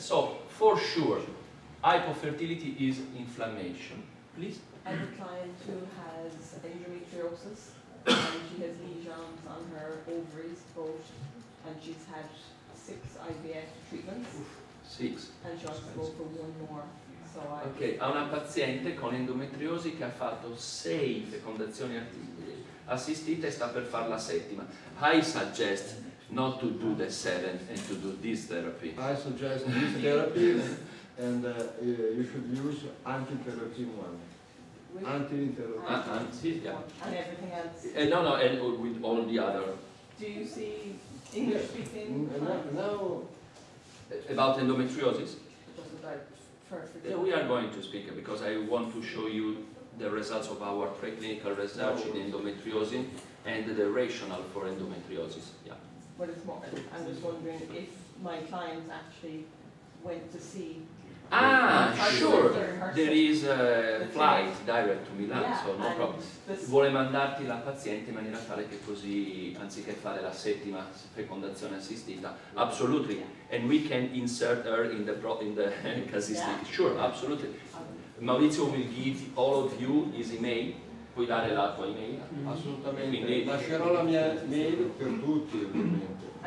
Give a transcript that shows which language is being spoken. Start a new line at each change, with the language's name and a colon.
English: So, for sure, hypofertility is inflammation. Please. I have a client who has endometriosis, and she has lesions on her ovaries, both, and she's had six IVF treatments. Six. And she wants to go for one more.
Italian: Ok, ha una paziente con endometriosi che ha fatto 6 fecondazioni assistite e sta per fare la settima.
English: I suggest not to do the 7th and to do this therapy. I suggest this therapy and you should use anti-interleukin 1. And everything else. No, and with all the other. Do you see English speaking? No. About endometriosis? Perfect. We are going to speak because I want to show you the results of our preclinical research in endometriosis and the rationale for endometriosis. Yeah. Well, it's more, I'm just wondering if my clients actually went to see. Ah, sure. There is a flight direct to Milan, yeah, so no problem.
Italian: Vuole mandarti la paziente in maniera tale che così, anziché fare la settima fecondazione assistita, absolutely.
English: Yeah. And we can insert her in the casistic. Yeah. Sure, absolutely. Maurizio will give all of you his email.
Italian: puoi dare la tua email? Mm-hmm. Assolutamente. Quindi, lascerò la mia mail per tutti ovviamente.